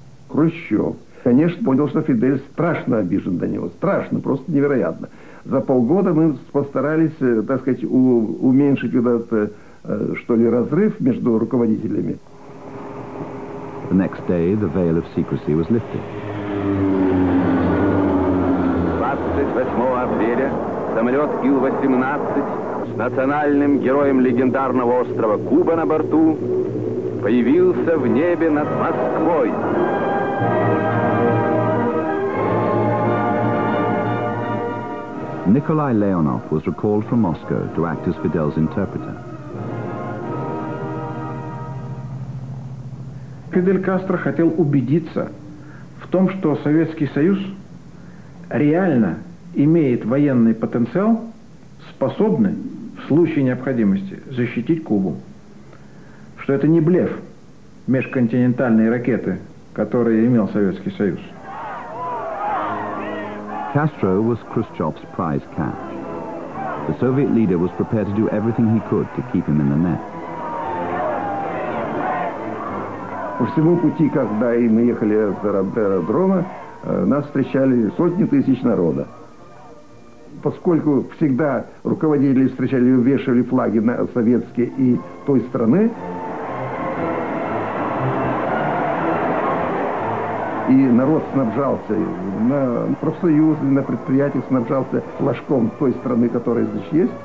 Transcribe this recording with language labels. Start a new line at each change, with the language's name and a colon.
Russian: Хрущев, конечно, понял, что Фидель страшно обижен до него. Страшно, просто невероятно. За полгода мы постарались, так сказать, уменьшить куда-то, что ли, разрыв между руководителями.
English: The next day, the veil of secrecy was lifted.
Russian: 28 апреля самолет Ил-18 с национальным героем легендарного острова Куба на борту появился в небе над Москвой.
English: Nikolai Leonov was recalled from Moscow to act as Fidel's interpreter.
Russian: Фидель Кастро хотел убедиться в том, что Советский Союз реально имеет военный потенциал, способный в случае необходимости защитить Кубу. Что это не блеф межконтинентальной ракеты, которую имел Советский Союз.
English: Castro was Khrushchev's prize catch. The Soviet leader was prepared to do everything he could to keep him in the net.
Russian: По всему пути, когда мы ехали до аэродрома, нас встречали сотни тысяч народа. Поскольку всегда руководители встречали и вешали флаги на советские и той страны, и народ снабжался на профсоюзы, на предприятия снабжался флажком той страны, которая здесь есть.